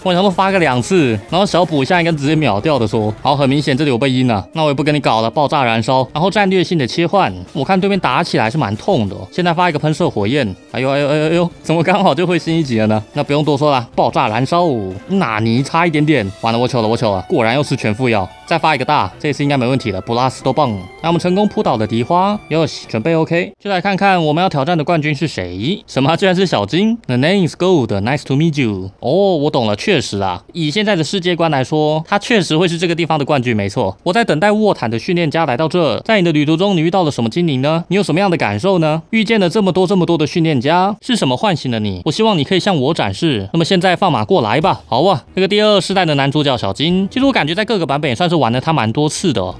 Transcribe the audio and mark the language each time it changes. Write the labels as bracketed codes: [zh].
[zh] 我想说发个两次，然后小补一下应该直接秒掉的说，好，很明显这里有被阴了，那我也不跟你搞了，爆炸燃烧，然后战略性的切换，我看对面打起来是蛮痛的，现在发一个喷射火焰，哎呦哎呦哎呦哎呦，怎么刚好就彗星一级了呢？那不用多说了，爆炸燃烧，纳尼差一点点，完了我糗了我糗了，果然又是全副药，再发一个大，这次应该没问题了 ，blast bomb， 那我们成功扑倒的敌花，哟西准备 OK， 就来看看我们要挑战的冠军是谁？什么？居然是小金 ？ [en] The name is Gold， nice to meet you。 [zh] 哦，我懂了，确实啊，以现在的世界观来说，他确实会是这个地方的冠军，没错。我在等待沃坦的训练家来到这，在你的旅途中，你遇到了什么精灵呢？你有什么样的感受呢？遇见了这么多的训练家，是什么唤醒了你？我希望你可以向我展示。那么现在放马过来吧。好啊，那个第二世代的男主角小金，其实我感觉在各个版本也算是玩了他蛮多次的。